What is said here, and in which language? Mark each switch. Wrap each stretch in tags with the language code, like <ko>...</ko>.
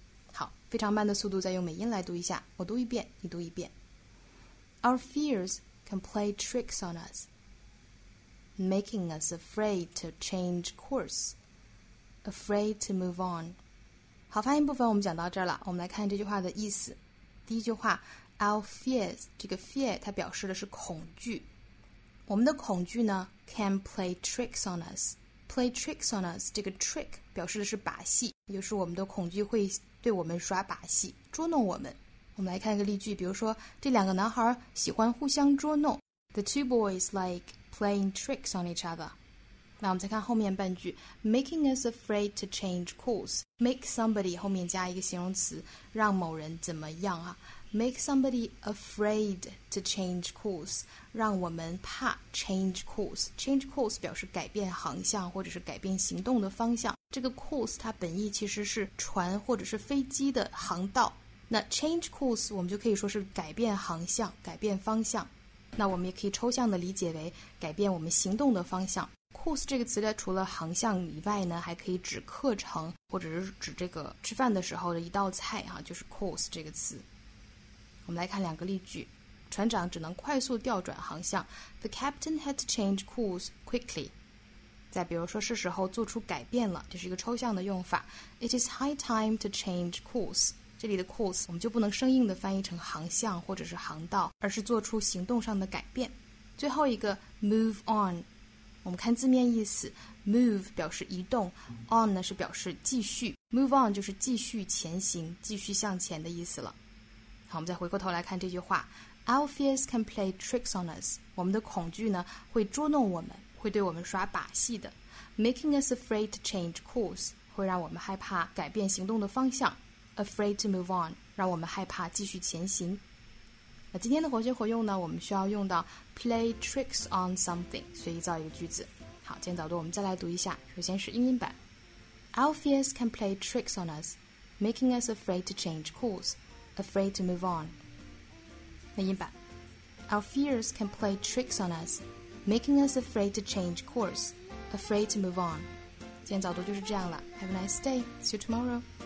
<zh>好，非常慢的速度再用美音来读一下，我读一遍你读一遍。</zh> <en>Our fears can play tricks on us, making us afraid to change course, afraid to move on。</en> <zh>好，发音部分我们讲到这儿了，我们来看这句话的意思。第一句话，</zh> <en>Our fears，</en> <zh>这个 fear 它表示的是恐惧。我们的恐惧呢</zh> <en>can play tricks on us。 play tricks on us</en> <zh>这个 trick 表示的是把戏，就是我们的恐惧会对我们耍把戏，捉弄我们。我们来看一个例句，比如说这两个男孩喜欢互相捉弄。</zh> <en>The two boys like playing tricks on each other。</en> <zh>那我们再看后面半句，</zh> <en>making us afraid to change course。</en> <zh>make somebody 后面加一个形容词，让某人怎么样啊，</zh> <en>Make somebody afraid to change course，</en> <zh>让我们怕 change course。 change course 表示改变航向或者是改变行动的方向，这个 course 它本意其实是船或者是飞机的航道，那 change course 我们就可以说是改变航向，改变方向。那我们也可以抽象的理解为改变我们行动的方向。 course 这个词呢，除了航向以外呢，还可以指课程或者是指这个吃饭的时候的一道菜啊，就是 course 这个词。我们来看两个例句，船长只能快速调转航向。</zh> <en>The captain had to change course quickly。</en> <zh>再比如说是时候做出改变了，这是一个抽象的用法。</zh> <en>It is high time to change course。</en> <zh>这里的 course 我们就不能生硬的翻译成航向或者是航道，而是做出行动上的改变。最后一个 move on， 我们看字面意思， move 表示移动， on 呢是表示继续， move on 就是继续前行，继续向前的意思了。好，我们再回过头来看这句话，</zh> <en>Our fears can play tricks on us，</en> <zh>我们的恐惧呢会捉弄我们，会对我们耍把戏的。</zh> <en>Making us afraid to change course，</en> <zh>会让我们害怕改变行动的方向。</zh> <en>Afraid to move on，</en> <zh>让我们害怕继续前行。那今天的活学活用呢，我们需要用到 play tricks on something， 随意造一个句子。好，今天早读我们再来读一下，首先是英音版。</zh> <en>Our fears can play tricks on us， making us afraid to change courseAfraid to move on.</en> <zh>那音版。</zh> <en>Our fears can play tricks on us, making us afraid to change course, afraid to move on.</en> <zh>今天早读就是这样了。</zh> <en>Have a nice day. See you tomorrow.</en>